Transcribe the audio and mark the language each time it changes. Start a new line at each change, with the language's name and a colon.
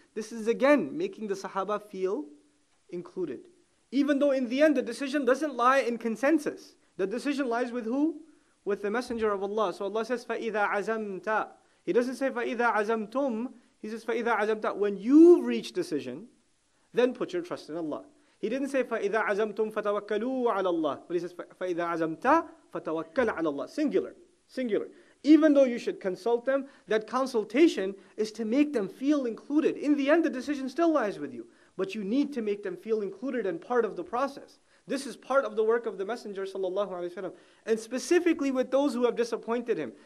English: This is again making the Sahaba feel included. Even though in the end the decision doesn't lie in consensus. The decision lies with who? With the Messenger of Allah. So Allah says,
Arabic: فَإِذَا عَزَمْتَ.
English: He doesn't say,
Arabic: فَإِذَا عَزَمْتُمْ.
English: He says,
Arabic: فَإِذَا عَزَمْتَ.
English: When you've reached decision, then put your trust in Allah. He didn't say,
Arabic: فَإِذَا عَزَمْتُمْ فَتَوَكَّلُوا عَلَى اللَّهِ.
English: But he says,
Arabic: فَإِذَا عَزَمْتَ فَتَوَكَّلْ عَلَى اللَّهِ.
English: Singular. Singular. Even though you should consult them, that consultation is to make them feel included. In the end, the decision still lies with you. But you need to make them feel included and part of the process. This is part of the work of the Messenger sallallahu alaihi wasallam, and specifically with those who have disappointed him.